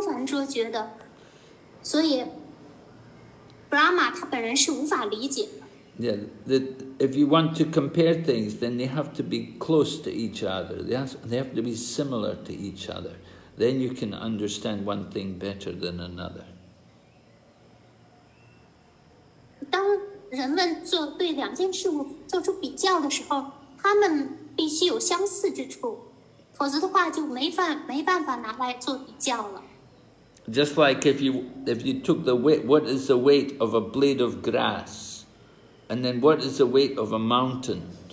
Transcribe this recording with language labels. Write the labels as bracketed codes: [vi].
[zh] 但是那些比主Shiva还要伟大的人物，他们获得的仁慈是超凡卓绝的，所以。 [en] Yeah, if you want to compare things, then they have to be close to each other. They have to be similar to each other. Then you can understand one thing better than another. [zh] 当人们做对两件事物做出比较的时候，他们必须有相似之处，否则的话就没办法拿来做比较了。 [en] Just like if you took the weight, what is the weight of a blade of grass? And then what is the weight of a mountain?